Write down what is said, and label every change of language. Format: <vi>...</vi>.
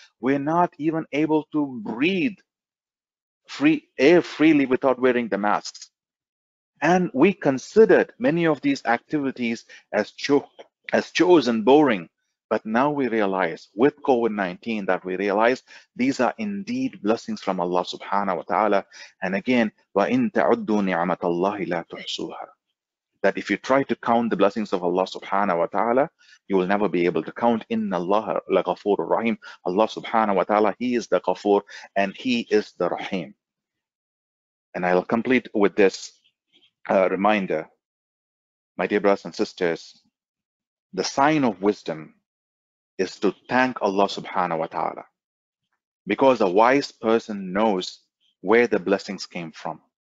<en>We're not even able to breathe free air freely without wearing the masks. And we considered many of these activities as chosen boring. But now we realize, with COVID-19, that we realize these are indeed blessings from Allah subhanahu wa ta'ala. And again,</en> <ar>وَإِن تَعُدُّوا نِعْمَةَ اللَّهِ لَا تُحْصُوهَا.</ar> <en>That if you try to count the blessings of Allah subhanahu wa ta'ala, you will never be able to count.</en> <ar>إِنَّ اللَّهَ لَغَفُورُ الرَّحِيمُ.</ar> <en>Allah subhanahu wa ta'ala, He is the Ghafoor and He is the Rahim. And I'll complete with this reminder. My dear brothers and sisters, the sign of wisdom is to thank Allah subhanahu wa ta'ala, because a wise person knows where the blessings came from.</en>